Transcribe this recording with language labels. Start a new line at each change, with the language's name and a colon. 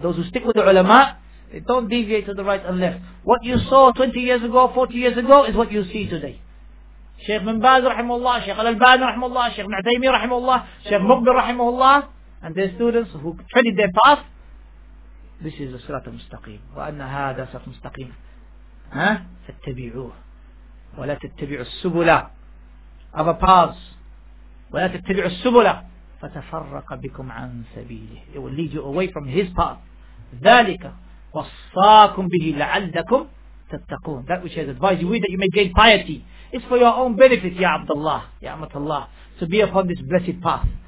English: Those who stick with the ulama, they don't deviate to the right and left. What you saw 20 years ago, 40 years ago, is what you see today. Sheikh Ibn Baz, rahimullah, Sheikh Al-Albani, rahimullah, Sheikh Ibn Uthaymeen, rahimullah, Sheikh Muqbil, rahimullah, and their students who treaded their path, this is a sirat al-mustaqim.
Arabic: وَأَنَّ هَذَا سِرَاطٌ مُسْتَقِيمٌ فَاتَّبِعُوهُ وَلَا تَتَّبِعُوا السُّبُلَ
English: Other paths.
Arabic: وَلَا تَتَّبِعُوا السُّبُلَ فَتَفَرَّقَ بِكُمْ عَن سَبِيلِهِ
English: It will lead you away from his path.
Arabic: ذَلِكَ وَصَّاكُمْ بِهِ لَعَلَّكُمْ تَتَّقُونَ
English: That which has advised you, we that you may gain piety. It's for your own benefit, Ya Abdullah, Ya Amatullah, to be upon this blessed path.